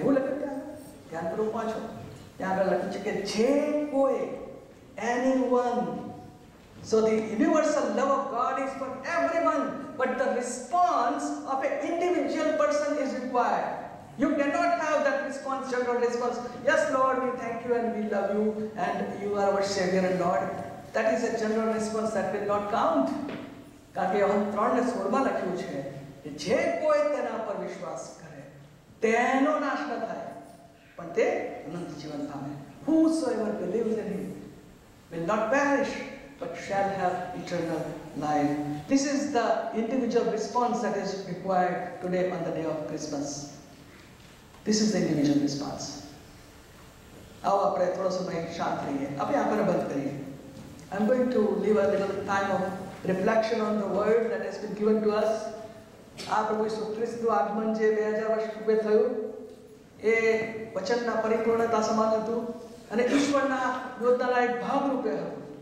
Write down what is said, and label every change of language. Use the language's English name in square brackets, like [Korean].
[Gujarati] એવું લખ્યું ત્યાં ધ્યાનપૂર્વક પાછો. ત્યાં આગળ લખ્યું છે કે જે કોઈ એની one. [English] So the universal love of God is for everyone, but the response of a individual person is required. You cannot have that response, general response. Yes, Lord, we thank you and we love you and you are our Savior and Lord. That is a general response that will not count. Because we have written in 3:16 that if anyone trusts in him, he will not perish, but he will live eternal life. Whosoever believes in him will not perish, but shall have eternal life. This is the individual response that is required today on the day of Christmas. This is the individual response. [Gujarati] આવો આપણે થોડો સમય શાંત રહીએ, આપણે આપણને બંધ કરીએ. [English] I am going to leave a little time of reflection on the word that has been given to us. [Gujarati] આ પ્રભુ ઈસુ ખ્રિસ્તનું આગમન જે 2000 વર્ષ પૂર્વે થયું એ વચનના પરિપૂર્ણતા સમાન હતું અને ઈશ્વરના યોજનાના એક ભાગ રૂપે હતું.